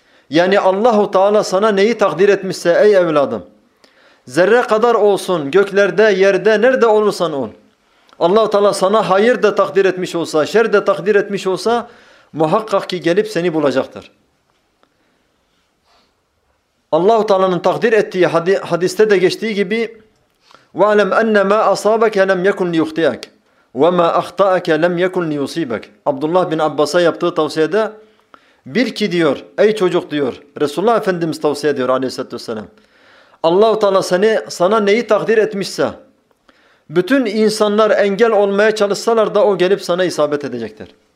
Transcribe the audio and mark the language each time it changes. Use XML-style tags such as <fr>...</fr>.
<tr>Yani Allah-u Teala sana neyi takdir etmişse ey evladım, zerre kadar olsun, göklerde, yerde, nerede olursan ol, Allah-u Teala sana hayır da takdir etmiş olsa, şer de takdir etmiş olsa, muhakkak ki gelip seni bulacaktır. Allah-u Teala'nın takdir ettiği hadiste de geçtiği gibi,</tr> <ar>وَعْلَمْ أَنَّ مَا أَصَابَكَ لَمْ يَكُنْ لِيُخْتِيَكَ وَمَا أَخْطَأَكَ لَمْ يَكُنْ لِيُصِيبَكَ.</ar> <tr>Abdullah bin Abbas'a yaptığı tavsiyede, bil ki diyor, ey çocuk diyor, Resulullah Efendimiz tavsiye ediyor aleyhissalatü vesselam, Allah-u Teala sana neyi takdir etmişse, bütün insanlar engel olmaya çalışsalar da o gelip sana isabet edecektir.</tr>